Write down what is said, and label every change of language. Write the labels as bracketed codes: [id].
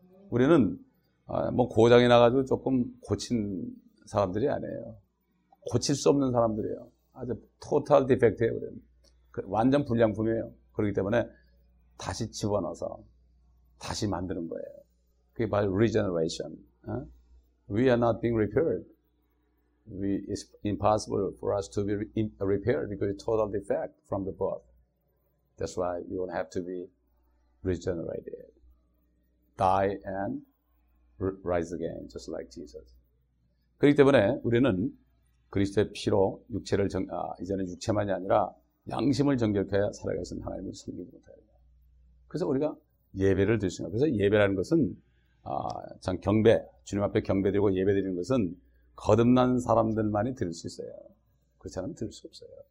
[ko] 우리는 뭐 고장이 나가지고 조금 고친 사람들이 아니에요. 고칠 수 없는 사람들이에요. 아주 토탈 디펙트예요. 우리는. 완전 불량품이에요. 그렇기 때문에 다시 집어넣어서 다시 만드는 거예요. 그게 바로 [en] regeneration. We are not being repaired. It's impossible for us to be repaired because it's total defect from the birth. That's why you will have to be regenerated. Die and rise again, just like Jesus. [ko] 그렇기 때문에 우리는 그리스도의 피로 육체를 이제는 육체만이 아니라 양심을 정결케 살아가신 하나님을 섬기지 못해요. 그래서 우리가 예배를 드리는 거예요. 그래서 예배라는 것은 참 경배, 주님 앞에 경배드리고 예배드리는 것은 거듭난 사람들만이 드릴 수 있어요. 그렇지 않으면 드릴 수 없어요.